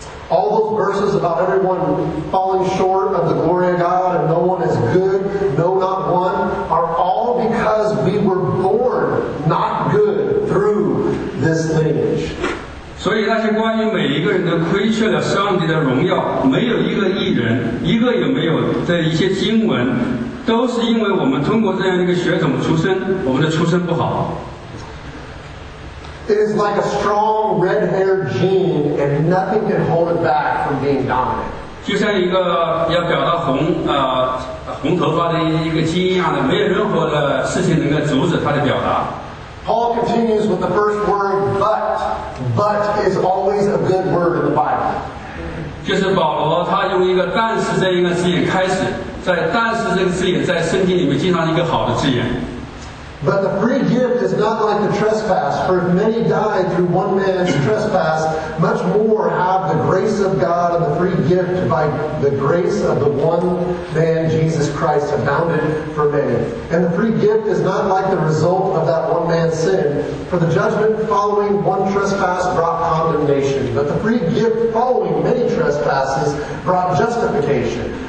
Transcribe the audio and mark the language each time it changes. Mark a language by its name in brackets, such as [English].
[English] All those verses about everyone falling short of the glory of God and no one is good, no not one, are all because we were born not good through this lineage. [Chinese] 所以那些关于每一个人都亏缺了上帝的荣耀，没有一个义人，一个也没有的一些经文，都是因为我们通过这样一个血统出生，我们的出生不好。 [English] It is like a strong red-haired gene, and nothing can hold it back from being dominant. [Chinese] 就像一个要表达红头发的一个基因一样的，没有任何的事情能够阻止它的表达。 [English] Paul continues with the first word, but is always a good word in the Bible. [Chinese] 就是保罗他用一个但是这一个字眼开始，在但是这个字眼在圣经里面经常一个好的字眼。 [English] But the free gift is not like the trespass, for if many died through one man's trespass, much more have the grace of God and the free gift by the grace of the one man, Jesus Christ, abounded for many. And the free gift is not like the result of that one man's sin, for the judgment following one trespass brought condemnation, but the free gift following many trespasses brought justification.